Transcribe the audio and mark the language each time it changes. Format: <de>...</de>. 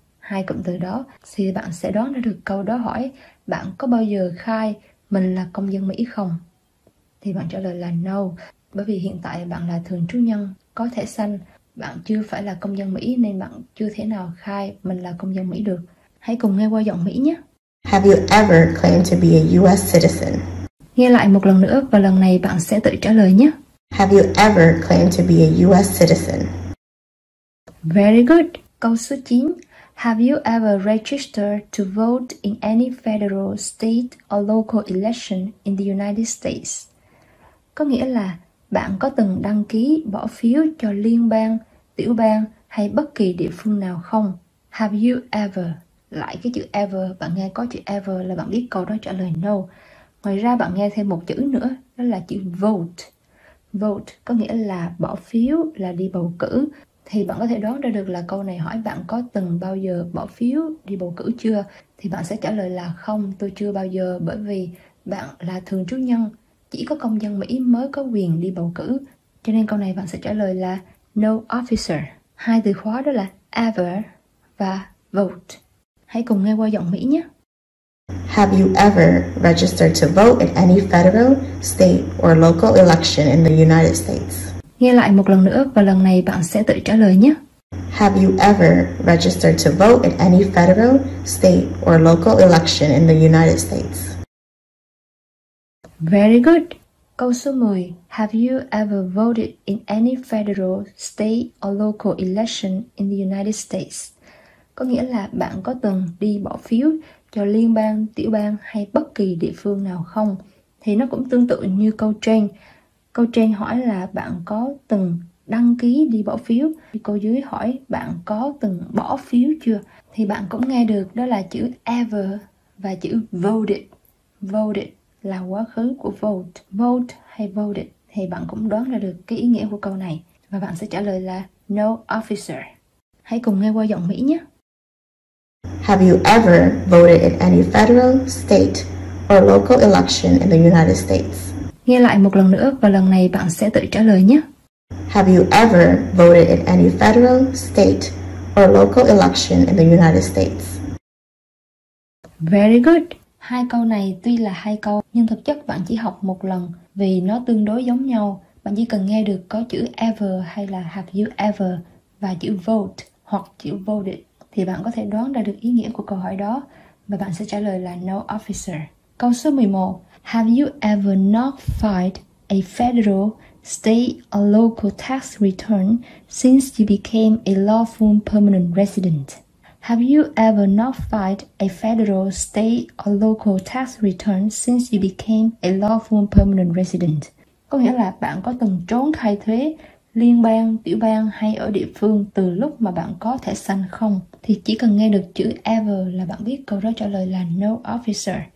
<vi>Hai cụm từ đó thì bạn sẽ đoán ra được câu đó hỏi bạn có bao giờ khai mình là công dân Mỹ không? Thì bạn trả lời là no. Bởi vì hiện tại bạn là thường trú nhân có thẻ xanh, bạn chưa phải là công dân Mỹ nên bạn chưa thể nào khai mình là công dân Mỹ được. Hãy cùng nghe qua giọng Mỹ nhé.</vi> <en>Have you ever claimed to be a US citizen?</en> <vi>Nghe lại một lần nữa và lần này bạn sẽ tự trả lời nhé.</vi> <en>Have you ever claimed to be a US citizen? Very good.</en> <vi>Câu số 9.</vi> <en>Have you ever registered to vote in any federal, state or local election in the United States?</en> <vi>Có nghĩa là bạn có từng đăng ký bỏ phiếu cho liên bang, tiểu bang hay bất kỳ địa phương nào không?</vi> <en>Have you ever?</en> <vi>Lại cái chữ ever, bạn nghe có chữ ever là bạn biết câu đó trả lời no. Ngoài ra bạn nghe thêm một chữ nữa, đó là chữ vote. Vote có nghĩa là bỏ phiếu, là đi bầu cử. Thì bạn có thể đoán ra được là câu này hỏi bạn có từng bao giờ bỏ phiếu, đi bầu cử chưa? Thì bạn sẽ trả lời là không, tôi chưa bao giờ bởi vì bạn là thường trú nhân. Chỉ có công dân Mỹ mới có quyền đi bầu cử. Cho nên câu này bạn sẽ trả lời là</vi> <en>no, officer.</en> <vi>Hai từ khóa đó là ever và vote. Hãy cùng nghe qua giọng Mỹ nhé.</vi> <en>Have you ever registered to vote in any federal, state or local election in the United States?</en> <vi>Nghe lại một lần nữa và lần này bạn sẽ tự trả lời nhé.</vi> <en>Have you ever registered to vote in any federal, state or local election in the United States? Very good.</en> <vi>Câu số 10.</vi> <en>Have you ever voted in any federal, state or local election in the United States?</en> <vi>Có nghĩa là bạn có từng đi bỏ phiếu cho liên bang, tiểu bang hay bất kỳ địa phương nào không? Thì nó cũng tương tự như câu trên. Câu trên hỏi là bạn có từng đăng ký đi bỏ phiếu. Câu dưới hỏi bạn có từng bỏ phiếu chưa? Thì bạn cũng nghe được đó là chữ ever và chữ voted. Voted là quá khứ của vote. Vote hay voted thì bạn cũng đoán ra được cái ý nghĩa của câu này. Và bạn sẽ trả lời là</vi> <en>no, officer.</en> <vi>Hãy cùng nghe qua giọng Mỹ nhé.</vi> <en>Have you ever voted in any federal, state or local election in the United States?</en> <vi>Nghe lại một lần nữa và lần này bạn sẽ tự trả lời nhé.</vi> <en>Have you ever voted in any federal, state or local election in the United States? Very good.</en> <vi>Hai câu này tuy là hai câu nhưng thực chất bạn chỉ học một lần vì nó tương đối giống nhau. Bạn chỉ cần nghe được có chữ ever hay là</vi> <en>have you ever</en> <vi>và chữ vote hoặc chữ vô địch thì bạn có thể đoán ra được ý nghĩa của câu hỏi đó và bạn sẽ trả lời là</vi> <en>no officer.</en> <vi>Câu số 11.</vi> <en>Have you ever not filed a federal, state or local tax return since you became a lawful permanent resident? Have you ever not filed a federal, state or local tax return since you became a lawful permanent resident?</en> <vi>Có nghĩa là bạn có từng trốn khai thuế liên bang, tiểu bang hay ở địa phương từ lúc mà bạn có thẻ xanh không? Thì chỉ cần nghe được chữ ever là bạn biết câu đó trả lời là</vi> <en>no officer.</en>